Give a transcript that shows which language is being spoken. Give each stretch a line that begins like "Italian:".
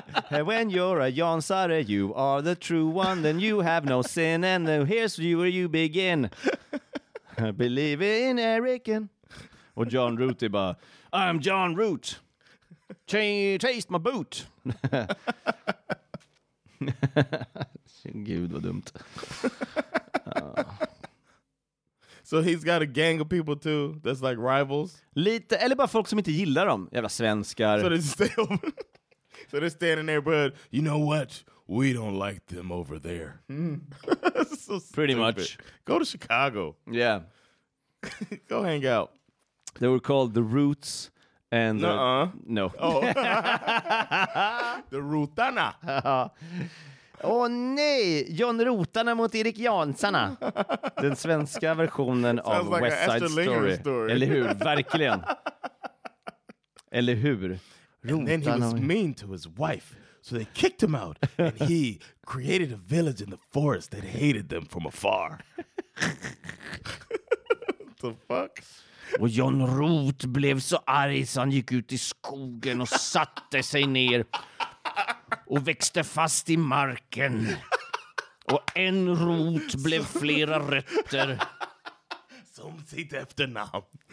English: When you're a Jansare, you are the true one, then you have no sin, and then here's where you begin. Believe in Eric and...
Swedish: Och John Root är bara,
English: I'm John Root! Taste my boot!
Swedish: Gud, vad dumt.
English: So he's got a gang of people too that's like rivals.
Swedish: Lite, eller bara folk som inte gillar dem, jävla svenskar.
English: So they stay over. So they're standing there, but you know what? We don't like them over there. Mm. So pretty stupid. Much. Go to Chicago. Yeah. Go hang out. They were called the Roots and no. Oh. The Rutana.
Swedish: Åh nej, John Rotarna mot Erik Jansarna. Den svenska versionen av
English: like West Side Story. Story.
Swedish: Eller hur, verkligen. Eller hur. Rotarna.
English: And then he was mean to his wife, so they kicked him out. And he created a village in the forest that hated them from afar. What the fuck?
Swedish: Och John Root blev så arg så han gick ut i skogen och satte sig ner. Och växte fast i marken. Och en rot blev flera rötter. Som sitt efternamn.